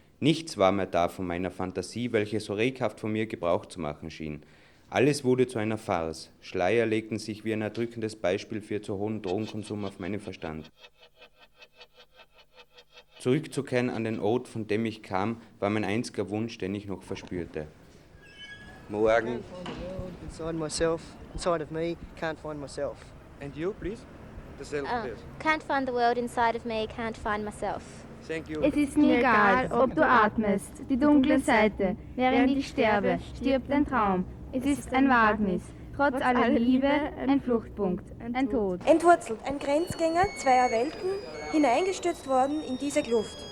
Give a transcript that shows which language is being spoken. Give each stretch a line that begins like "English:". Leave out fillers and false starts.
German: Nichts war mehr da von meiner Fantasie, welche so reghaft von mir Gebrauch zu machen schien. Alles wurde zu einer Farce. Schleier legten sich wie ein erdrückendes Beispiel für zu hohen Drogenkonsum auf meinen Verstand. Zurückzukehren an den Ort, von dem ich kam, war mein einziger Wunsch, den ich noch verspürte. Morgen.
English: Inside myself, inside of me, can't find myself. And you, please? Can't find the world inside of me, can't find myself. Thank you.
German: Es ist mir egal, ob du atmest, die dunkle Seite. Während ich sterbe, stirbt dein Traum. Es ist ein Wagnis, trotz aller Liebe, ein Fluchtpunkt, ein Tod. Entwurzelt, ein Grenzgänger zweier Welten, hineingestürzt worden in diese Kluft.